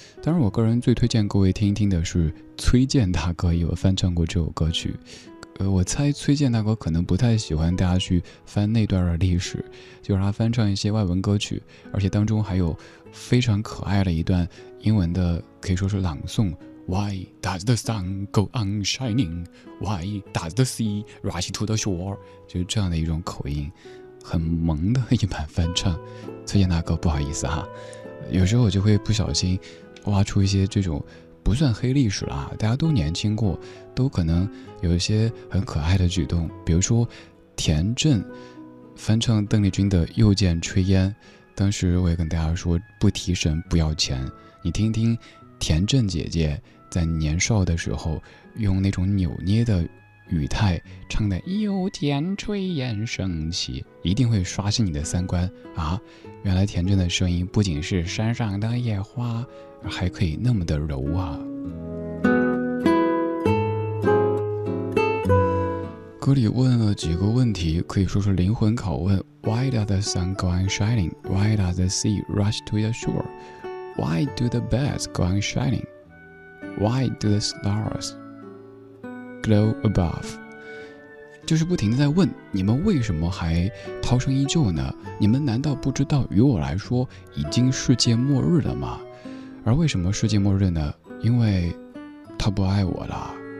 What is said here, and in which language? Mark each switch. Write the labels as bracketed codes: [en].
[zh] 当然我个人最推荐各位听一听的是崔健大哥也有翻唱过这首歌曲。我猜崔健大哥可能不太喜欢大家去翻那段的历史，就让他翻唱一些外文歌曲，而且当中还有非常可爱的一段英文的可以说是朗诵。 [en] Why does the sun go on shining? Why does the sea rush to the shore? [zh] 就是这样的一种口音，很萌的一版翻唱。崔健大哥，不好意思哈，有时候我就会不小心挖出一些这种不算黑历史啦，大家都年轻过，都可能有一些很可爱的举动，比如说田震翻唱邓丽君的《又见炊烟》，当时我也跟大家说，不提神不要钱，你听听。田震姐姐在年少的时候用那种扭捏的语态唱的又见炊烟升起，一定会刷新你的三观啊！原来田震的声音不仅是山上的野花，还可以那么的柔啊。歌里问了几个问题，可以说是灵魂拷问。 [en] Why does the sun go on shining? Why does the sea rush to the shoreWhy do the birds go on shining? Why do the stars glow above? [zh] 就是不停地在问，你们为什么还涛声依旧呢？你们难道不知道于我来说已经世界末日了吗？而为什么世界末日呢？因为他不爱我了。